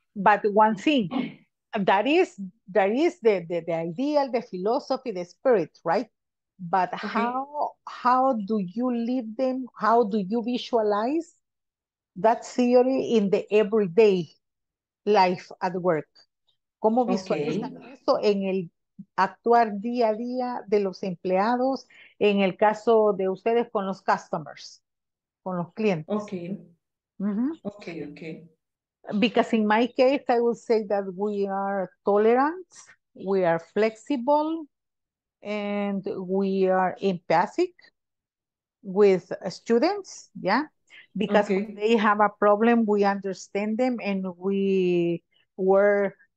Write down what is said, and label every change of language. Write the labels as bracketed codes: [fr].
[en] But one thing, that is the ideal, the philosophy, the spirit, right? But okay. how do you live them? How do you visualize that theory in the everyday life at work? [es] ¿Cómo visualizan eso en el actuar día a día de los empleados, en el caso de ustedes con los customers, con los clientes? [en] Okay. Mm-hmm. Okay, okay. Because in my case, I would say that we are tolerant, we are flexible, and we are empathic with students, yeah? Because okay. when they have a problem, we understand them and we were...